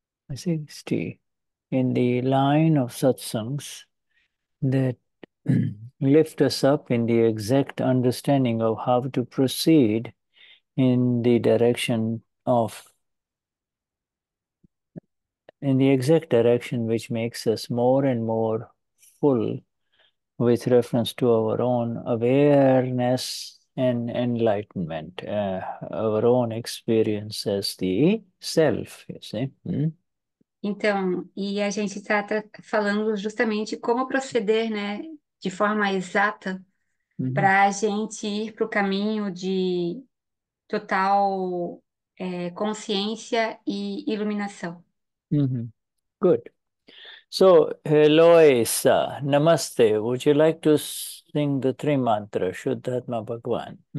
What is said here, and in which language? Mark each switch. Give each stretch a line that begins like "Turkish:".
English: 60 in the line of satsangs that lift us up in the exact understanding of how to proceed in the direction of in the exact direction which makes us more and more full with reference to our own awareness and enlightenment, our own experience as the self, you see.
Portuguese: Então, e a gente está falando justamente como proceder, né, de forma exata para a gente ir para o caminho de total consciência e iluminação.
English: Good. So, Eloisa, namaste. Would you like to sing the three mantras, Shuddhatma Bhagwan?